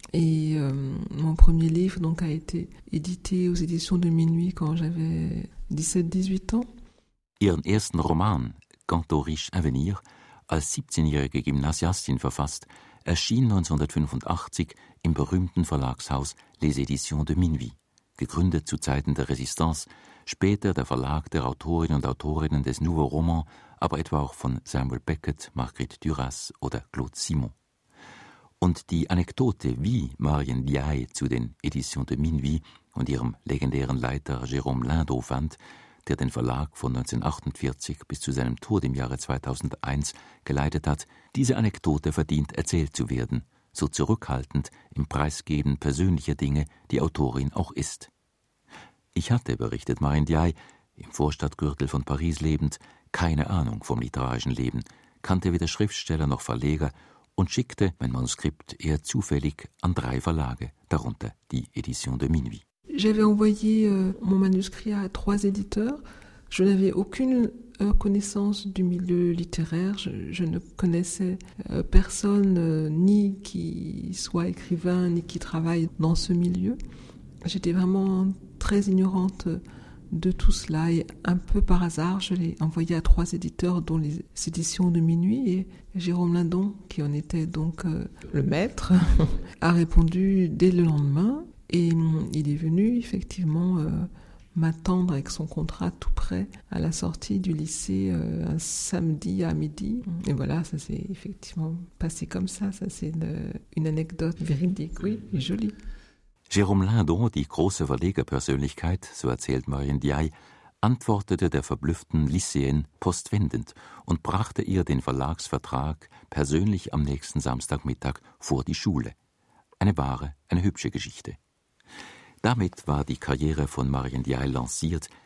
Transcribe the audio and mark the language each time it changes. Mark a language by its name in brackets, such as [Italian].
[French] Et mon premier livre donc, a été édité aux éditions de Minuit quand j'avais 17-18 ans. [German] Ihren ersten Roman, Quant au riche avenir, als 17-jährige Gymnasiastin verfasst, erschien 1985 im berühmten Verlagshaus Les Éditions de Minuit, gegründet zu Zeiten der Résistance, später der Verlag der Autorinnen und Autorinnen des Nouveau Roman, aber etwa auch von Samuel Beckett, Marguerite Duras oder Claude Simon. Und die Anekdote, wie Marie Ndiaye zu den Éditions de Minuit und ihrem legendären Leiter Jérôme Lindau fand, der den Verlag von 1948 bis zu seinem Tod im Jahre 2001 geleitet hat, diese Anekdote verdient erzählt zu werden, so zurückhaltend im Preisgeben persönlicher Dinge die Autorin auch ist. Ich hatte, berichtet Marie Ndiaye, im Vorstadtgürtel von Paris lebend, keine Ahnung vom literarischen Leben, kannte weder Schriftsteller noch Verleger und schickte mein Manuskript eher zufällig an drei Verlage, darunter die Édition de Minuit. [French] J'avais envoyé mon manuscrit à trois éditeurs. Je n'avais aucune connaissance du milieu littéraire. Je ne connaissais personne, ni qui soit écrivain, ni qui travaille dans ce milieu. J'étais vraiment très ignorante de tout cela. Et un peu par hasard, je l'ai envoyé à trois éditeurs, dont les éditions de Minuit. Et Jérôme Lindon, qui en était donc le maître, a répondu dès le lendemain. Et il est venu effectivement m'attendre avec son contrat tout prêt à la sortie du lycée un samedi à midi. Et voilà, ça s'est effectivement passé comme ça. Ça, c'est une anecdote véridique, oui, et jolie. [German] Jérôme Lindon, die große Verlegerpersönlichkeit, so erzählt Marie Ndiaye, antwortete der verblüfften Lycéenne postwendend und brachte ihr den Verlagsvertrag persönlich am nächsten Samstagmittag vor die Schule. Eine wahre, eine hübsche Geschichte. Damit war die Karriere von Marie Ndiaye lanciert.